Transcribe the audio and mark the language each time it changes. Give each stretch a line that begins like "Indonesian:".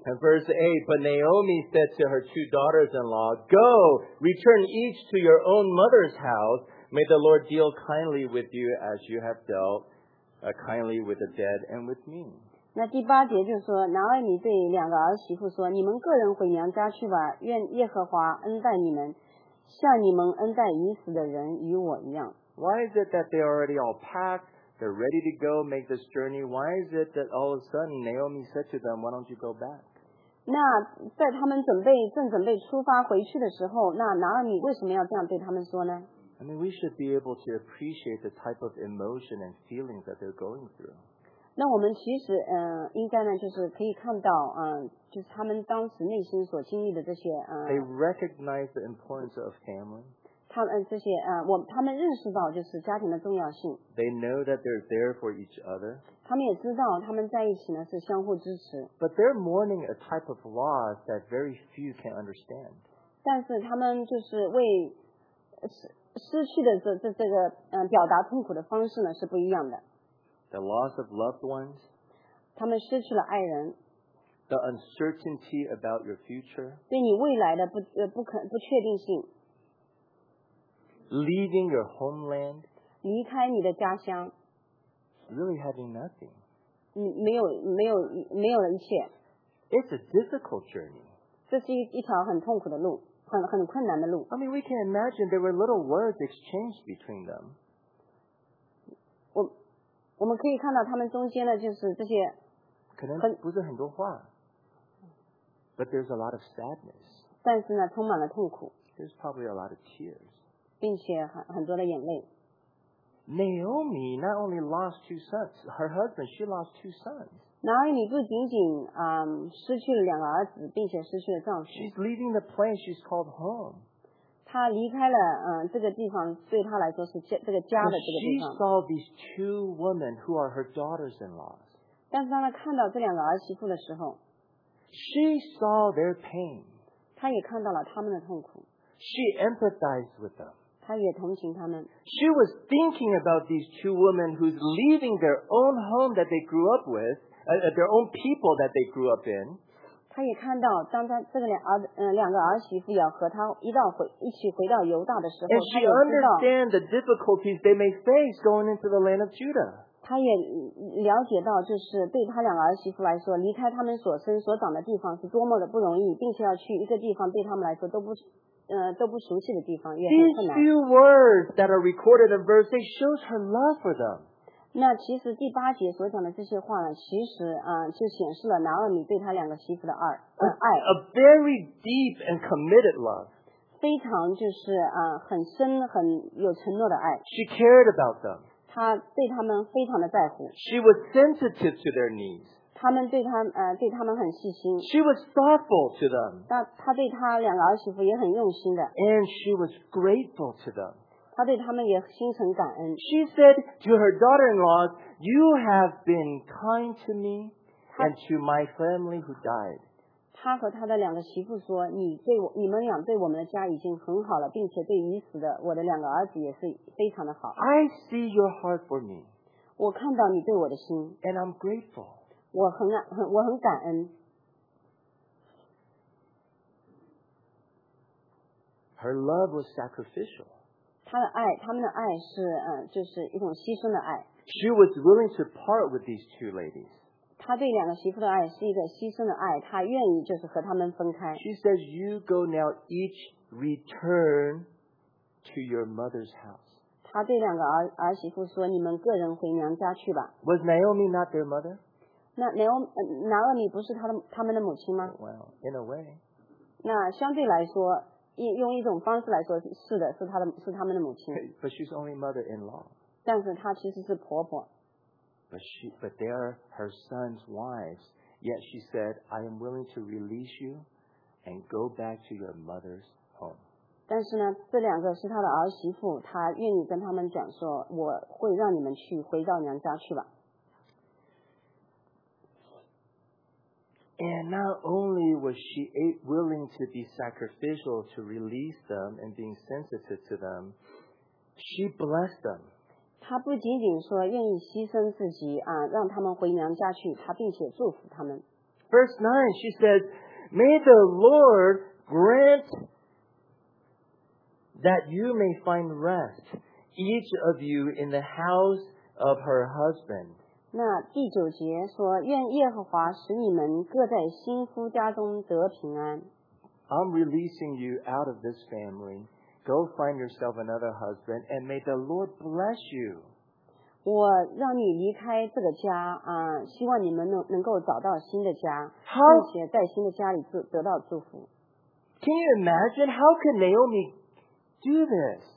English: And verse 8, but Naomi said to her two daughters-in-law, Go, return each to your own mother's house. May the Lord deal kindly with you as you have dealt kindly with the dead and with me.
Chinese: 那第八节就是说，拿俄米对两个儿媳妇说，你们个人回娘家去吧，愿耶和华恩待你们，像你们恩待已死的人与我一样。
English: Why is it that they already all packed? They're ready to go make this journey. Why is it that all of a sudden Naomi said to them, "Why don't you go back?"
Chinese: 那在他们正准备出发回去的时候，那拿俄米为什么要这样对他们说呢？
English: I mean, we should be able to appreciate the type of emotion and feelings that they're going through.
Chinese: 那我们其实应该呢，就是可以看到就是他们当时内心所经历的这些
English: They recognize the importance of family.
Chinese: 他们认识到就是家庭的重要性。
English: They know that they're there for each other.
Chinese: 他们也知道他们在一起呢是相互支持。
English: But they're mourning a type of loss that very few can understand.
Chinese: 但是他们就是为失去的这个表达痛苦的方式呢是不一样的。
English: The loss of loved ones.
Chinese: 他们失去了爱人。
English: The uncertainty about your future.
Chinese: 对你未来的不确定性。
English: Leaving your homeland.
Chinese: 离开你的家乡。
English: Really having nothing.
Chinese: 没有了一切。
English: It's a difficult journey.
Chinese: 这是一条很痛苦的路，很困难的路。
English: I mean, we can imagine there were little words exchanged between them.
Chinese: 我们可以看到他们中间的就是这些可能不是很多话
English: but there's a lot of sadness
Chinese: 但是呢充满了痛苦
English: there's probably a lot of tears
Chinese: 并且很多的眼泪
English: Naomi not only lost two sons her husband she lost two sons
Chinese: Naomi 不仅仅失去了两个儿子并且失去了丈夫
English: she's leaving the place she's called home
Chinese: 她离开了这个地方对她来说是这个家的这个地方。
English: She saw these two women who are her daughters-in-laws.
Chinese: 但是当她看到这两个儿媳妇的时候
English: She saw their pain.
Chinese: 她也看到了她们的痛苦。
English: She empathized with them.
Chinese: 她也同情她们。
English: She was thinking about these two women who's leaving their own home that they grew up with, their own people that they grew up in.
Chinese: 他也看到当他这个两个儿媳妇要和他一起回到犹大的时候
English: And she understands the difficulties they may face going into the land of Judah.
Chinese: 他也了解到就是对他两个儿媳妇来说离开他们所生所长的地方是多么的不容易并且要去一个地方对他们来说都不熟悉的地方也很困难。
English: These few words that are recorded in verse 8 shows her love for them.
Chinese: 那其实第八节所讲的这些话呢，其实就显示了拿俄米对他两个媳妇的爱。
English: A very deep and committed love.
Chinese: 非常就是很深很有承诺的爱。
English: She cared about them.
Chinese: 她对他们非常的在乎。
English: She was sensitive to their needs.
Chinese: 他们对他们很细心。
English: She was thoughtful to them.
Chinese: 她对他两个儿媳妇也很用心的。
English: And she was grateful to them.
Chinese: 她对他们也心存感恩。
English: She said to her daughter-in-law, "You have been kind to me and to my family who died."
Chinese: 她和她的两个媳妇说，你们俩对我们的家已经很好了，并且对已死的我的两个儿子也是非常的好。
English: I see your heart for me.
Chinese: 我看到你对我的心。
English: And I'm grateful.
Chinese: 我很感恩。
English: Her love was sacrificial.
Chinese: 他们的爱是就是一种牺牲的爱。
English: She was willing to part with these two ladies.
Chinese: 她对两个媳妇的爱是一个牺牲的爱，她愿意就是和她们分开。
English: She says, "You go now, each return to your mother's house."
Chinese: 她对两个儿媳妇说，你们个人回娘家去吧。
English: Was Naomi not their mother?
Chinese: 那拿俄米不是他们的母亲吗
English: ？Well, in a way.
Chinese: 那相对来说。用一种方式来说是的是他们的母亲
English: but she's only mother-in-law
Chinese: 但是她其实是婆婆
English: but they are her son's wives yet she said I am willing to release you and go back to your mother's home.
Chinese: 但是呢，这两个是他的儿媳妇，他愿意跟他们讲说，我会让你们去回到娘家去吧。
English: And not only was she willing to be sacrificial to release them and being sensitive to them, she blessed them.
Chinese: 她不仅仅说愿意牺牲自己啊，让他们回娘家去，她并且祝福他们。
English: Verse 9, she said, May the Lord grant that you may find rest, each of you in the house of her husband.
Chinese: 那第九节说，愿耶和华使你们各在新夫家中得平安。
English: I'm releasing you out of this family. Go find yourself another husband, and may the Lord bless you.
Chinese: 我让你离开这个家啊，希望你们能够找到新的家，并且在新的家里得到祝福。
English: Can you imagine how can Naomi do this?